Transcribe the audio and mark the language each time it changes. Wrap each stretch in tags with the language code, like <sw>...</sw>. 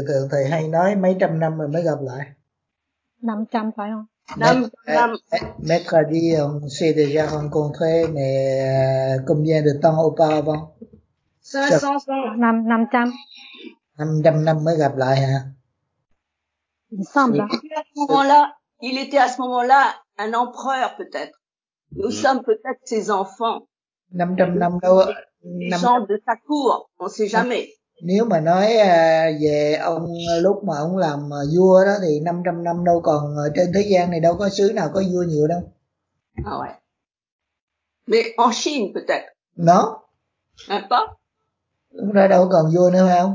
<vi>Thầy hay nói mấy trăm năm rồi mới gặp lại. 500 phải không?</vi> <fr>Maître a dit on s'est déjà rencontré, mais combien de temps auparavant?</fr> <vi>500 năm mới gặp lại hả?</vi> <fr>Il semble. Il était à ce moment-là un empereur peut-être. Nous sommes peut-être ses enfants.</fr> <vi>500 năm đâu.</vi> <fr>Les gens de sa cour, on ne sait jamais.</fr> <vi>Nếu mà nói về ông lúc mà ông làm vua đó thì 500 năm đâu còn trên thế gian này đâu có xứ nào có vua nhiều đâu.</vi> <fr>Ah ouais. Mais en Chine peut-être. Non. Hein pas.</fr> <vi>Lúc đó đâu còn vua nữa hay không?</vi>